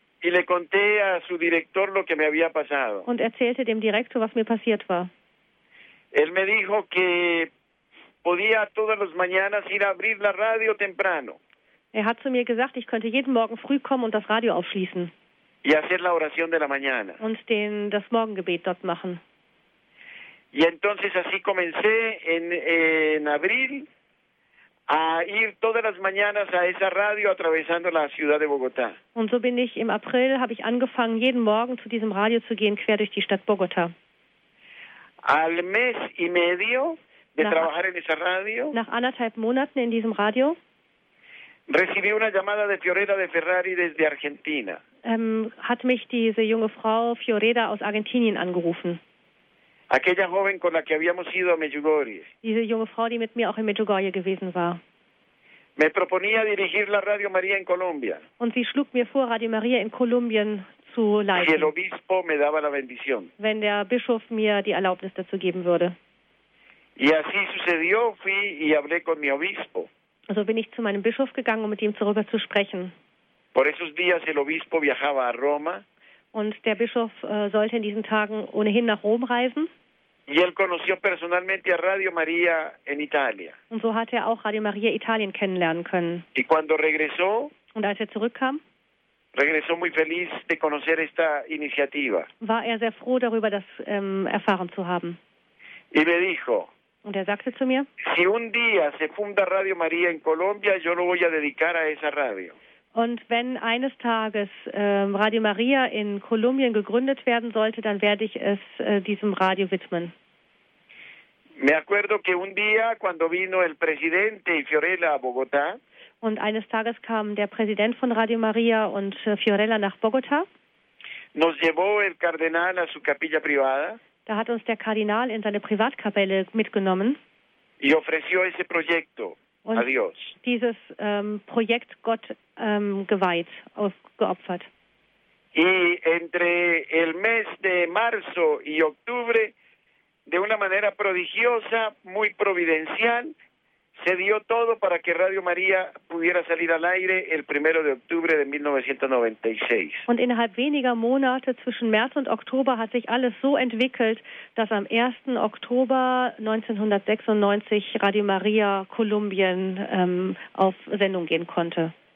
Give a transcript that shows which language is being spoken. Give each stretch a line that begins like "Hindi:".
Spanish: Y le conté a su director lo que me había pasado.
German: Und erzählte dem Direktor, was mir passiert war.
Spanish: Él me dijo que podía todas las mañanas ir a abrir la radio temprano.
German: Er hat zu mir gesagt, ich könnte jeden Morgen früh kommen und das Radio aufschließen.
Spanish: Y hacer la oración de la mañana.
German: Und das Morgengebet dort machen.
Spanish: Y entonces así comencé en abril a ir todas las mañanas a esa radio atravesando la ciudad de Bogotá.
German: Und so bin ich im April habe ich angefangen jeden Morgen zu diesem Radio zu gehen quer durch die Stadt Bogotá.
Spanish: Al mes y medio de trabajar en esa radio.
German: Nach anderthalb Monaten in diesem Radio.
Spanish: Recibí una llamada de Fiorella de Ferrari desde Argentina.
German: Hat mich diese junge Frau Fiorella aus Argentinien angerufen.
Spanish: Aquella joven con la que habíamos ido a Medjugorje.
German: Diese junge Frau, die mit mir auch in Medjugorje gewesen war.
Spanish: Me proponía dirigir la Radio María en Colombia.
German: Und sie schlug mir vor, Radio María in Kolumbien zu leiten.
Spanish: Si el obispo me daba la bendición.
German: Wenn der Bischof mir die Erlaubnis dazu geben würde.
Spanish: Y así sucedió, fui y hablé con mi obispo.
German: Also bin ich zu meinem Bischof gegangen, um mit ihm darüber zu sprechen.
Spanish: Por esos días el obispo viajaba a Roma.
German: Und der Bischof sollte in diesen Tagen ohnehin nach Rom reisen.
Spanish: Y él conoció personalmente a Radio María en Italia.
German: Und so hat er auch Radio María Italien kennenlernen können.
Spanish: Y cuando regresó,
German: und als er zurückkam,
Spanish: regresó muy feliz de conocer esta iniciativa.
German: War er sehr froh darüber, das erfahren zu haben.
Spanish: Y me dijo,
German: und er sagte zu mir,
Spanish: si un día se funda Radio María en Colombia, yo lo voy a dedicar a esa radio.
German: Und wenn eines Tages Radio María in Kolumbien gegründet werden sollte, dann werde ich es diesem Radio widmen.
Spanish: Me acuerdo que un día cuando vino el presidente y Fiorella a Bogotá.
German: Und eines Tages kam der Präsident von Radio María und Fiorella nach Bogotá.
Spanish: Nos llevó el cardenal a su capilla privada.
German: Da hat uns der Kardinal in seine Privatkapelle mitgenommen.
Spanish: Y ofreció ese proyecto.
German: Und
Spanish: Adios.
German: Dieses Projekt Gott geweiht, geopfert.
Spanish: Y entre el mes de marzo y octubre, de una manera prodigiosa, muy providencial, se dio todo para que Radio María pudiera salir al aire el primero de octubre de 1996.
German: Und innerhalb weniger Monate zwischen März und Oktober hat sich alles so entwickelt, dass am 1. Oktober 1996 Radio María Kolumbien auf Sendung gehen konnte.